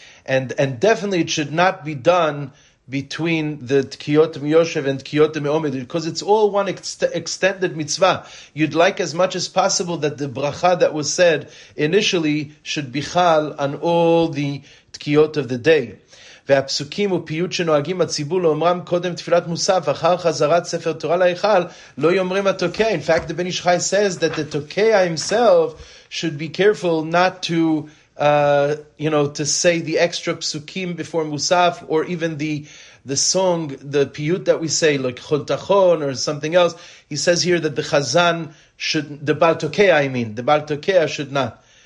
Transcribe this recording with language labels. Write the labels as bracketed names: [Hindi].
[English] And definitely it should not be done between the Tkiyot Miyoshev and Tkiyot Meomid, because it's all one extended mitzvah. You'd like as much as possible that the bracha that was said initially should be chal on all the Tkiyot of the day. [Hebrew] והפסוקים ופיוט שנוהגים הציבור לאומרם קודם תפילת מוסף אחר חזרת ספר תורה להיכל לא יאמרים התוקע. [English] In fact, the Ben Ishchai says that the tokeya himself should be careful not to, you know, to say the extra psukim before musaf, or even the song, the piyut that we say, like chontachon or something else. He says here that the chazan should, the bal tokeya, I mean, the bal tokeya should not.